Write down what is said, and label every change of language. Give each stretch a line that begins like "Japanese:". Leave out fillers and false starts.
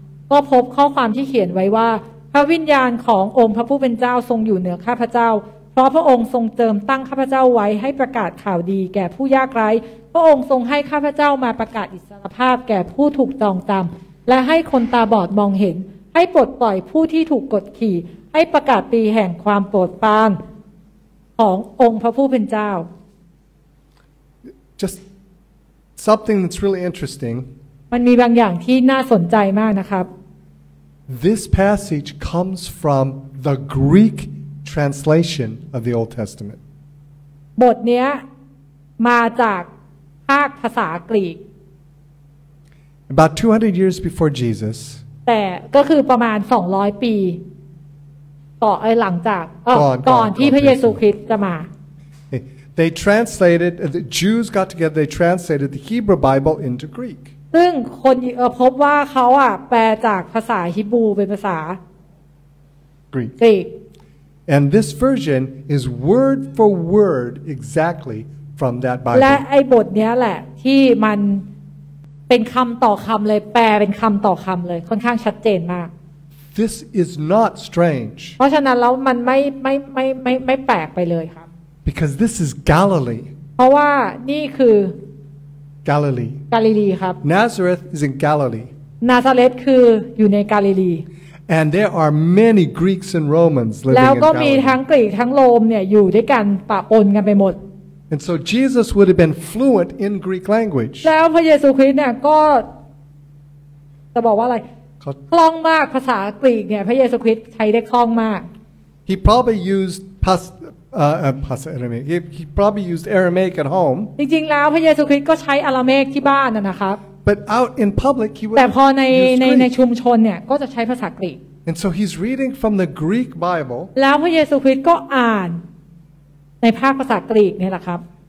Thai: ก็พบข้อความที่เขียนไว้ว่าพระวิญญาณขององค์พระผู้เป็นเจ้าทรงอยู่เหนือข้าพเจ้าเพราะพระองค์ทรงเจิมตั้งข้าพเจ้าไว้ให้ประกาศข่าวดีแก่ผู้ยากไร้พระองค์ทรงให้ข้าพเจ้ามาประกาศอิสรภาพแก่ผู้ถูกจองจำและให้คนตาบอดมองเห็นให้ปลดปล่อยผู้ที่ถูกกดขี่ให้ประกาศปีแห่งความโปรดปรานขององค์พระผู้เป็นเจ้า
English: Just something that's really interesting
Thai: มันมีบางอย่างที่น่าสนใจมากนะครับ
English: This passage comes from the GreekTranslation of the Old Testament.
Thai: บทนี้มาจากภาคภาษากรีก
English: About 200 years before Jesus.
Thai: แต่ก็คือประมาณ200ปีต่อไอ้หลังจากก่อนที่พระเยซูคริสต์จะมา
English: They translated the Jews got together. They translated the Hebrew Bible into Greek.
Thai: ซึ่งคนพบว่าเขาอ่ะแปลจากภาษาฮีบรูเป็นภาษาก รีก
English: And this version is word for word exactly from that Bible.
Thai: และไอ้บทเนี้ยแหละที่มันเป็นคำต่อคำเลยแปลเป็นคำต่อคำเลยค่อนข้างชัดเจนมาก
English: This is not strange.
Thai: เพราะฉะนั้นแล้วมันไม่แปลกไปเลยครับ
English: Because this is Galilee.
Thai: เพราะว่านี่คือ
English: Galilee.
Thai: Galilee ครับ
English: Nazareth is in Galilee.
Thai: นาซาเรตคืออยู่ใน Galilee
English: And there are many Greeks and Romans living in Galilee.
Thai: แล้วก็มีทั้งกรีกทั้งโรมเนี่ยอยู่ด้วยกันปะปนกันไปหมด
English: And so Jesus would have been fluent in Greek language.
Thai: แล้วพระเยซูคริสต์เนี่ยก็จะบอกว่าอะไรคล่องมากภาษากรีกเนี่ยพระเยซูคริสต์ใช้ได้คล่องมาก
English: He probably used Aramaic. He probably used Aramaic at home.
Thai: จริงๆแล้วพระเยซูคริสต์ก็ใช้อารามัยที่บ้านนะครับ
English: But out in public, he would.
Thai: แต่พอในชุมชนเนี่ยก็จะใช้ภาษากรีก
English: And so he's reading from the Greek Bible.
Thai: แล้วพระเยซูคริสต์ก็อ่านในภาคภาษากรีกนี่แหละครับ